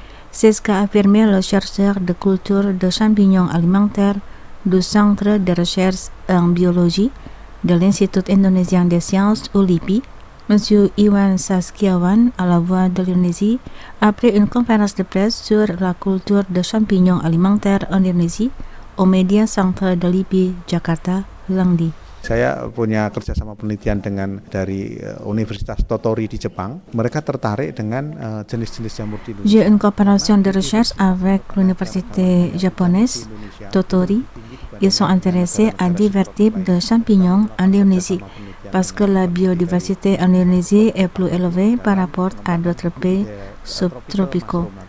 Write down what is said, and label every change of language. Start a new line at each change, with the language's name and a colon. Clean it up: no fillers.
French: C'est ce qu'a affirmé le chercheur de culture de champignons alimentaires du Centre de recherche en biologie de l'Institut indonésien des sciences, ULIPI, M. Iwan Saskiawan, à la Voix de l'Indonésie, après une conférence de presse sur la culture de champignons alimentaires en Indonésie au Media Centre de l'IPI, Jakarta, lundi.
Indonesian: Saya punya kerjasama penelitian dengan dari Universitas Tottori di Jepang. Mereka tertarik dengan jenis-jenis jamur di Indonesia.
French: J'ai une coopération de recherche avec l'université japonaise Tottori. Ils sont intéressés à divers types de champignons en Indonésie parce que la biodiversité en Indonésie est plus élevée par rapport à d'autres pays subtropicaux.